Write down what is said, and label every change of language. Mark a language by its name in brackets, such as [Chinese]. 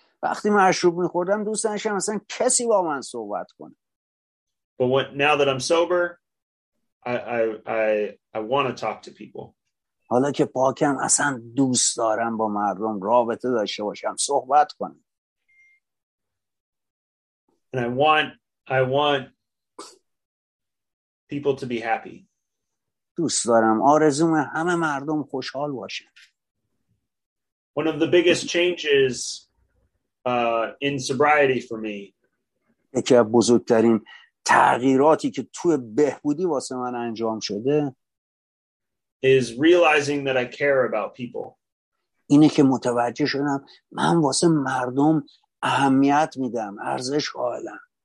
[Persian] وقتی مشروب می‌خوردم دوست نداشتم اصلا کسی با من صحبت کنه. [English] But what, now that I'm sober, I want to talk to people. [Persian] حالا که پاکم اصلا دوست دارم با مردم رابطه داشته باشم صحبت کنم. [English] And I want people to be happy. [Persian] دوست دارم آرزوم همه مردم خوشحال باشن. [English] One of the biggest changes in sobriety for me. [Persian] یکی از بزرگترین تغییراتی که توی بهبودی واسه من انجام شده [English] is realizing that I care about people. [Persian] اینه که متوجه شدم من واسه مردم اهمیت میدم، ارزش قائلم.